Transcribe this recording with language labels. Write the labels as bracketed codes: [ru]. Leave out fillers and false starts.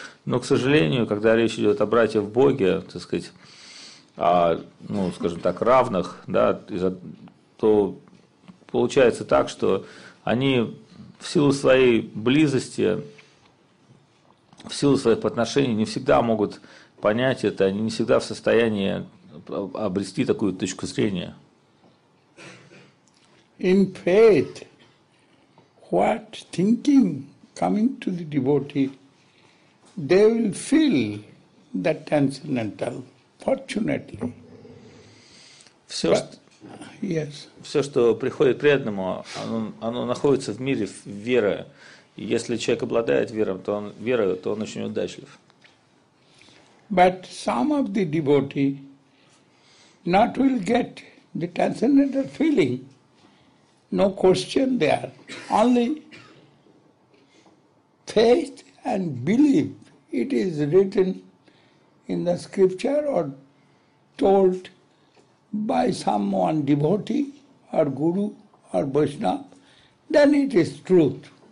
[ru] Но, к сожалению, когда речь идет о братьях в Боге, так сказать, равных, да, то получается так, что они в силу своей близости, в силу своих отношений не всегда могут понять это, они не всегда в состоянии обрести такую точку зрения. [en] In faith, what thinking coming to the devotee, they will feel that transcendental, fortunately. [ru] Все, что приходит преданному, оно находится в мире веры. И если человек обладает верой, то он очень удачлив. [en] But some of the devotee not will get the transcendental feeling, no question there, only faith and belief. It is written in the scripture or told by someone, devotee or guru or Vaishnava, then it is truth.